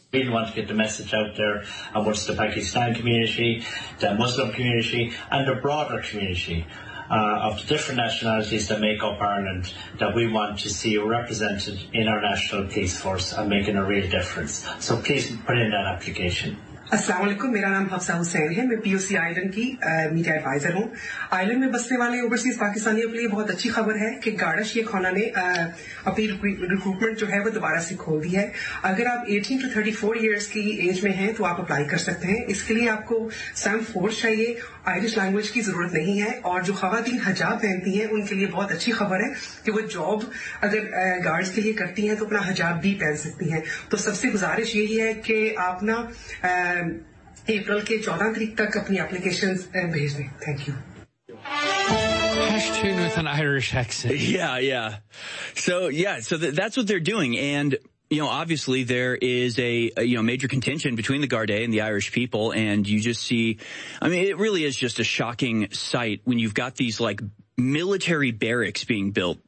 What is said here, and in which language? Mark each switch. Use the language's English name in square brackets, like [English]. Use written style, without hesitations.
[English] We really want to get the message out there amongst the Pakistan community, the Muslim community, and the broader community of the different nationalities that make up Ireland, that we want to see represented in our national police force and making a real difference. So please put in that application. [Urdu] السلام علیکم، میرا نام حفصہ حسین ہے، میں POC Ireland کی media advisor ہوں۔ Ireland میں بسنے والے overseas پاکستانیوں کے لیے بہت اچھی خبر ہے کہ Garda Shia Khanna نے اپنی recruitment جو ہے وہ دوبارہ سے کھول دی ہے۔ اگر آپ [English] 18 to 34 years [Urdu] کی age میں ہیں تو آپ apply کر سکتے ہیں۔ اسکے لیے آپکو SAM 4 چاہیے، Irish language کی ضرورت نہیں ہے اور جو خواتین حجاب پہنتی ہیں ان کے لیے بہت اچھی خبر ہے کہ وہ job اگر guards کے لیے کرتی ہیں تو اپنا حجاب بھی پہن سکتی ہیں۔ تو سبسے گزارش یہی ہے کہ آپ نا April 14th tak apni applications بھیجنے۔ [English] Thank you. Hashtag with an Irish accent. Yeah, yeah. So, yeah, so that's what they're doing. And, you know, obviously there is a major contention between the Garda and the Irish people. And you just see, I mean, it really is just a shocking sight when you've got these, like, military barracks being built.